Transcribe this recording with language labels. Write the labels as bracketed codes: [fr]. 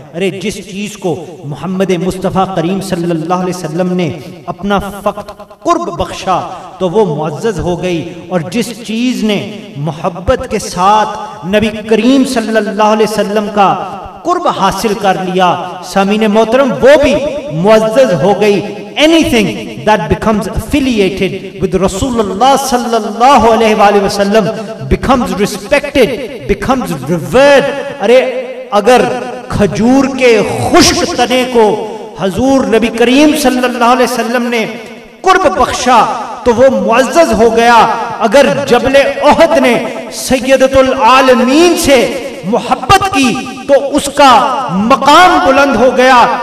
[hi] अरे जिस चीज़ को मुहम्मद मुस्तफ़ा करीम सल्लल्लाहु अलैहि वसल्लम ने अपना फ़क्त कुर्ब बख्शा तो वो मुअज़्ज़ज़ हो गई, और जिस चीज़ ने मोहब्बत के साथ नबी करीम सल्लल्लाहु अलैहि वसल्लम का कुर्ब हासिल कर लिया समीने मोहतरम वो भी मुअज़्ज़ज़ हो गई। [en] Anything that becomes affiliated with Rasulullah sallallahu alaihi wa sallam becomes respected, becomes revered. [hi] अरे अगर खजूर के खुश्क तने को हजूर नबी करीम सल्लल्लाहु अलैहि वसल्लम ने कुर्ब बख्शा तो वो मुअज्जज हो गया। अगर जबल ओहद ने सैयदतुल आलमीन से मोहब्बत की तो उसका मकाम बुलंद हो गया।